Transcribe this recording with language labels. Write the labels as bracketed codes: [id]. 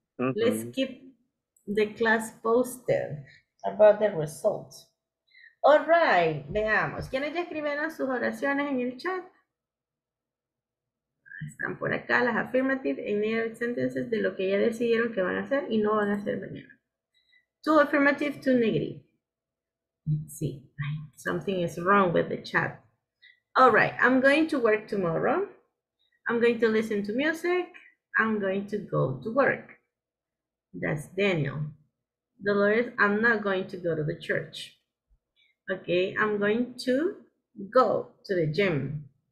[en] Let's keep the class posted about the results. All right, [es] veamos. ¿Quiénes ya escribieron sus oraciones en el chat? Están por acá las [en] affirmative y negative sentences [es] de lo que ya decidieron que van a hacer y no van a hacer mañana. [en] Two affirmative, two negative. Let's see, something is wrong with the chat. All right, I'm going to work tomorrow. I'm going to listen to music. I'm going to go to work. That's Daniel. Dolores, I'm not going to go to the church. Okay, I'm going to go to the gym.